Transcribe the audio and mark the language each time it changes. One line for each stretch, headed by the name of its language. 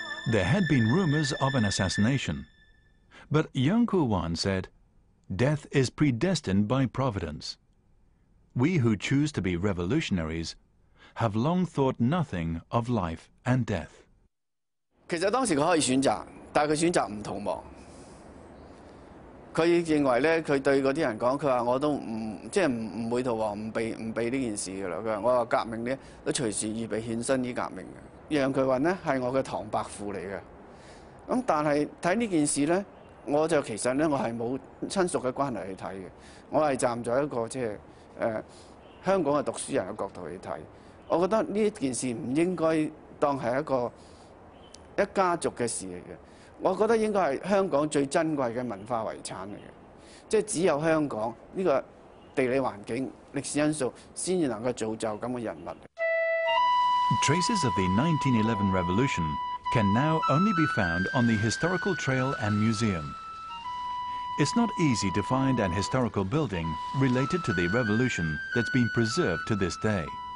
English: There had been rumors of an assassination, but Yang Kuwan said, "Death is predestined by providence." We who choose to be revolutionaries have long thought nothing of life and death.
Cantonese: 其實當時佢可以選擇，但係佢選擇唔逃亡。佢認為咧，佢對嗰啲人講，佢話我都唔會逃亡，唔避呢件事噶啦。佢話我話革命咧都隨時預備獻身於革命嘅。楊巨雲咧係我嘅堂伯父嚟嘅。咁但係睇呢件事咧，我就其實咧我係冇親屬嘅關係去睇嘅，我係站在一個即係香港嘅讀書人嘅角度去睇。我覺得呢件事唔應該當係一家族嘅事嚟嘅。我覺得應該係香港最珍貴嘅文化遺產嚟嘅，即係只有香港呢個地理環境、歷史因素，先至能夠造就咁嘅人物。
English: Traces of the 1911 revolution can now only be found on the historical trail and museum. It's not easy to find an historical building related to the revolution that's been preserved to this day.